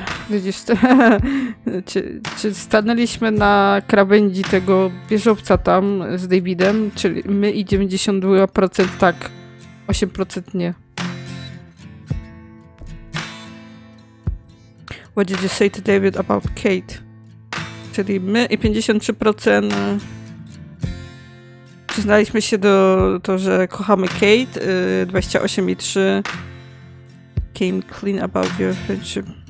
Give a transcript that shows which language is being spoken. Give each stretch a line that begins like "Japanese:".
Polish: Widzisz, czy stanęliśmy na krawędzi tego wieżowca tam z Davidem, czyli my i 92% tak, 8% nie.
English: What did you say to David about Kate?
Polish: Czyli my i 53% przyznaliśmy się do to, że kochamy Kate, 28,3%
English: came clean about your friendship.